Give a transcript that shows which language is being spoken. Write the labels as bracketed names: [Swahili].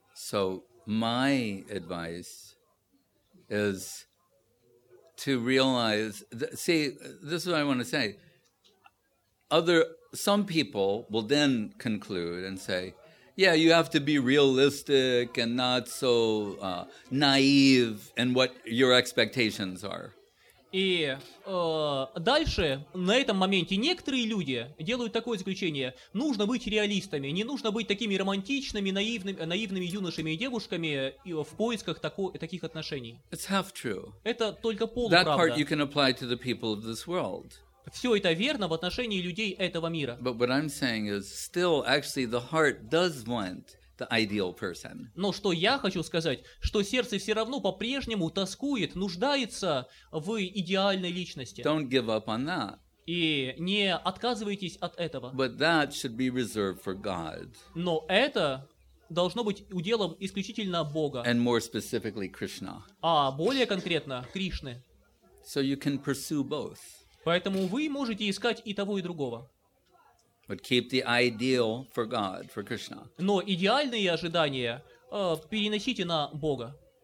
[English] So my advice is to realize, see, this is what I want to say. Some people will then conclude and say, yeah, you have to be realistic and not so naive in what your expectations are. [Russian] И дальше, на этом моменте, некоторые люди делают такое заключение. Нужно быть реалистами, не нужно быть такими романтичными, наивными юношами и девушками в поисках таких отношений. [English] It's half true. [Russian] Это только полуправда. [English] That part you can apply to the people of this world. [Russian] Все это верно в отношении людей этого мира. [English] But what I'm saying is, still, actually, the heart does want the ideal person. [Russian] Но что я хочу сказать, что сердце все равно по-прежнему тоскует, нуждается в идеальной личности. [English] Don't give up on that. [Russian] И не отказывайтесь от этого. [English] But that should be reserved for God. [Russian] Но это должно быть уделом исключительно Бога. [English] And more specifically, Krishna. [Russian] А более конкретно, Кришны. [English] So you can pursue both. [Russian] Поэтому вы можете искать и того, и другого. [English] But keep the ideal for God, for Krishna. [Russian] Но идеальные ожидания переносите на Бога.